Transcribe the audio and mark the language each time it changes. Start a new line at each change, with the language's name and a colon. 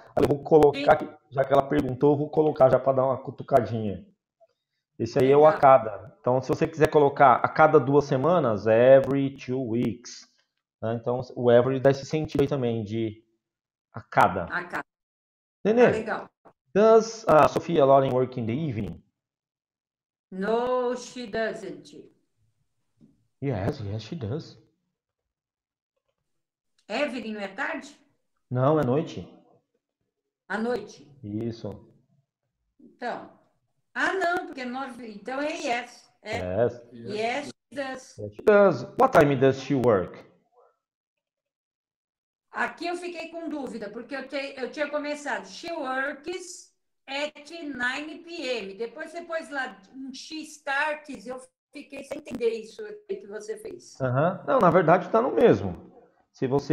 Portuguese: Aí eu vou colocar, já que ela perguntou, eu vou colocar já para dar uma cutucadinha. Esse aí é o a Legal. cada. Então, se você quiser colocar a cada 2 semanas,
English: every 2 weeks.
Portuguese: Então, o every dá esse sentido aí também, de a cada. A casa. Ah, Nenê, legal.
English: does a Sofia Loren work in the evening? No, she doesn't. Yes, she does.
Portuguese: Evelyn, não é tarde? Não, é noite. À noite. Isso. Então. Ah, não, porque é 9. Então é yes. É.
English: Yes. Yes, she does. Yes, she does. What time does she work?
Portuguese: Aqui eu fiquei com dúvida, porque eu tinha começado.
English: She works at 9 p.m.
Portuguese: Depois você pôs lá um
English: she starts,
Portuguese: eu fiquei sem entender isso aí que você fez. Não, na verdade está no mesmo. Se você